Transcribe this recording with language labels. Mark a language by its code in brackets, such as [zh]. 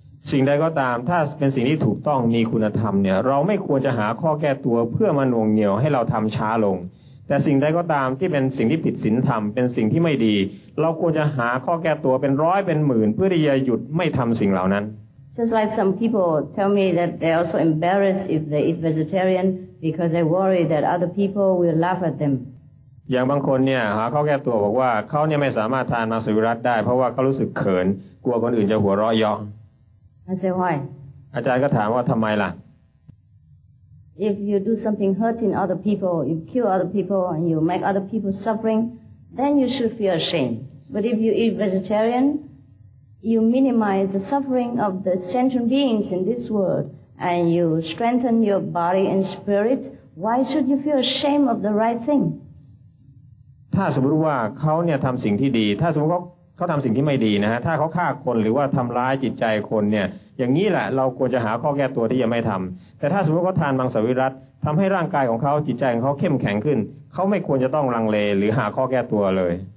[th] สิ่งใดก็ตามถ้าเป็นสิ่งที่ถูกต้องมีคุณธรรมเนี่ยเราไม่ควรจะหาข้อแก้ตัวเพื่อมาหน่วงเหนี่ยวให้เราทำช้าลงแต่สิ่งใดก็ตามที่เป็นสิ่งที่ผิดศีลธรรมเป็นสิ่งที่ไม่ดีเราควรจะหาข้อแก้ตัวเป็นร้อยเป็นหมื่นเพื่อที่จะหยุดไม่ทำสิ่งเหล่านั้น [en] Just like some people tell me that they are so embarrassed if they eat vegetarian because they worry that other people will laugh at them [th] อย่างบางคนเนี่ยหาข้อแก้ตัวบอกว่าเขาเนี่ยไม่สามารถทานมังสวิรัติได้เพราะว่าเขารู้สึกเขินกลัวคนอื่นจะหัวเราะเยาะ [en] I say why [th] อาจารย์ก็ถามว่าทำไมล่ะ [en] If you do something hurting other people, you kill other people, and you make other people suffering, then you should feel ashamed. But if you eat vegetarian, you minimize the suffering of the sentient beings in this world, and you strengthen your body and spirit, why should you feel ashamed of the right thing? [th] ถ้าสมมติว่าเขาเนี่ยทำสิ่งที่ดีถ้าสมมติเขาทำสิ่งที่ไม่ดีนะฮะถ้าเขาฆ่าคนหรือว่าทำร้ายจิตใจคนเนี่ยอย่างนี้แหละเราควรจะหาข้อแก้ตัวที่ยังไม่ทำแต่ถ้าสมมติเขาทานมังสวิรัติทำให้ร่างกายของเขาจิตใจของเขาเข้มแข็งขึ้นเขาไม่ควรจะต้องลังเลหรือหาข้อแก้ตัวเลย